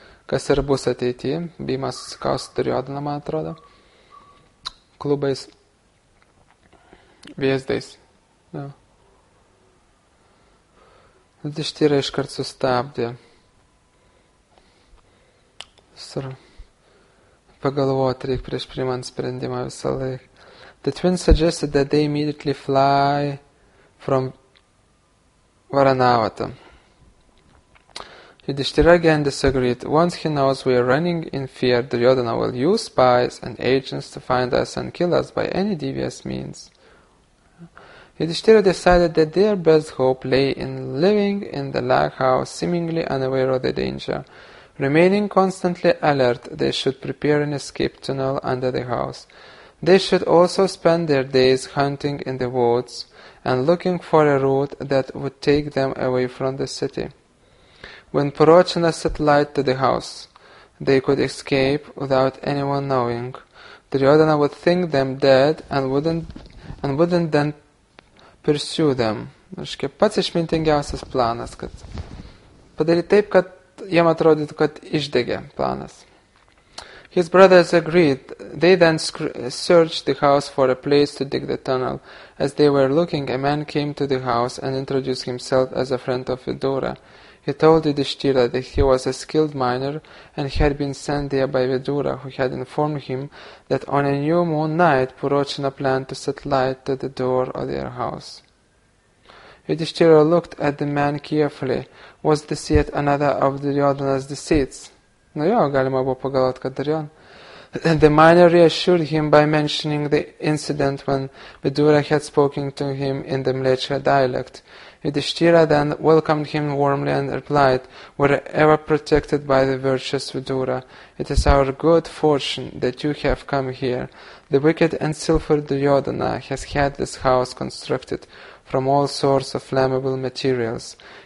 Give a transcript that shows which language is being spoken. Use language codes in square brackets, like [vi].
[lt] Kas ir bus ateityje, Bhima susikaus su Duryodhana, man atrodo. Klubais. Vėzdais. Jo. Yudhishthira iškart sustabdė. Visur pagalvoti reik prieš priimant sprendimą visą laiką. [en] The twins suggested that they immediately fly from Varanavata. Yudhishthira again disagreed. Once he knows we are running in fear, Duryodhana will use spies and agents to find us and kill us by any devious means. Yudhishthira decided that their best hope lay in living in the log house, seemingly unaware of the danger. Remaining constantly alert, they should prepare an escape tunnel under the house. They should also spend their days hunting in the woods and looking for a route that would take them away from the city. When Purochana set light to the house, they could escape without anyone knowing. Duryodhana would think them dead and wouldn't then pursue them. [lt] Reiškia, pats išmintingiausias planas, kad padaryti taip, kad jam atrodytų, kad išdegė planas. [en] His brothers agreed. They then searched the house for a place to dig the tunnel. As they were looking, a man came to the house and introduced himself as a friend of Vidura. He told Yudhishthira that he was a skilled miner and had been sent there by Vidura, who had informed him that on a new moon night, Purochana planned to set light to the door of their house. Yudhishthira looked at the man carefully. Was this yet another of Duryodhana's deceits? [lt] Nu jo, galima buvo pagalvoti, kad Duryon. [en] The miner reassured him by mentioning the incident when Vidura had spoken to him in the Mlecha dialect. Yudhishthira then welcomed him warmly and replied, "We are ever protected by the virtuous Vidura. It is our good fortune that you have come here. The wicked and sinful Duryodhana has had this house constructed from all sorts of flammable materials.